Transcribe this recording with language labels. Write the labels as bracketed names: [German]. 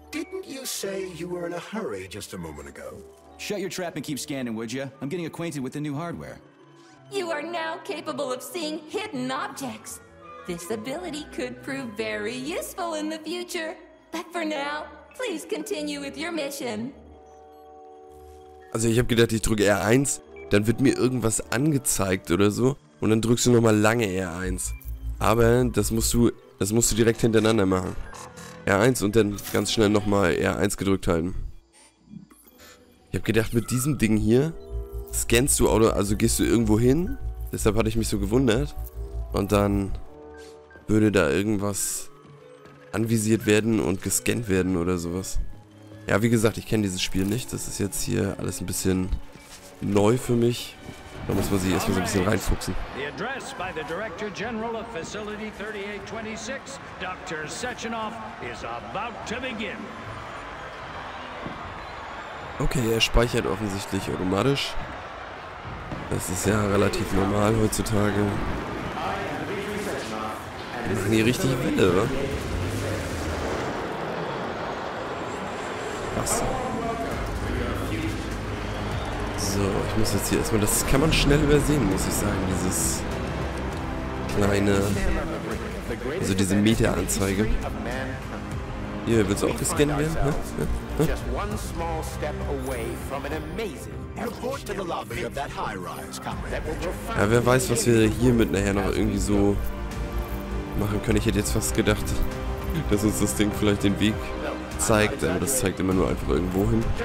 [English] Didn't you say you were in a hurry just a moment ago? Shut your trap and keep scanning, would you? I'm getting acquainted with the new hardware. You are now capable of seeing hidden objects. This ability could prove very useful in the future. But for now, please continue with your mission. [German] Also ich habe gedacht, ich drücke R1, dann wird mir irgendwas angezeigt oder so. Und dann drückst du nochmal lange R1. Aber das musst du direkt hintereinander machen. R1 und dann ganz schnell nochmal R1 gedrückt halten. Ich habe gedacht, mit diesem Ding hier scannst du, also gehst du irgendwo hin. Deshalb hatte ich mich so gewundert. Und dann würde da irgendwas anvisiert werden und gescannt werden oder sowas. Ja, wie gesagt, ich kenne dieses Spiel nicht. Das ist jetzt hier alles ein bisschen neu für mich. Da muss man sich erstmal so ein bisschen reinfuchsen. [English] The address by the Director General of Facility 3826, Dr. Sechenov, is about to begin. [German] Okay, er speichert offensichtlich automatisch. Das ist ja relativ normal heutzutage. Wir machen hier richtig Welle, oder? Was? So, ich muss jetzt hier erstmal, das kann man schnell übersehen, muss ich sagen, dieses kleine, also diese Meteranzeige. Hier, willst du auch gescannt werden? Ja? [English] Just one small step away from an amazing report to the lobby of that high rise, [German] Comrade. Ja, wer weiß, was wir hier mit nachher noch irgendwie so machen können. Ich hätte jetzt fast gedacht, dass uns das Ding vielleicht den Weg zeigt, aber das zeigt immer nur einfach irgendwo hin.